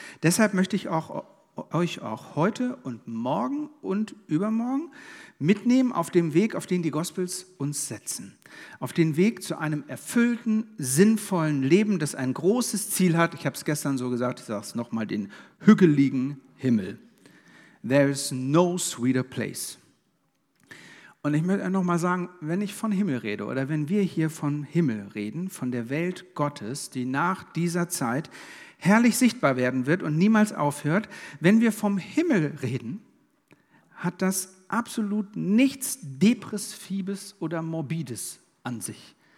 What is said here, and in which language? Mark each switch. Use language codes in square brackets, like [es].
[de] Deshalb möchte ich auch, euch auch heute und morgen und übermorgen mitnehmen auf dem Weg, auf den die Gospels uns setzen. Auf den Weg zu einem erfüllten, sinnvollen Leben, das ein großes Ziel hat. Ich habe es gestern so gesagt, ich sage es nochmal, den hügeligen Himmel. [en] There is no sweeter place. [de] Und ich möchte noch mal sagen, wenn ich von Himmel rede oder wenn wir hier von Himmel reden, von der Welt Gottes, die nach dieser Zeit herrlich sichtbar werden wird und niemals aufhört, wenn wir vom Himmel reden, hat das absolut nichts Depressives oder Morbides an sich.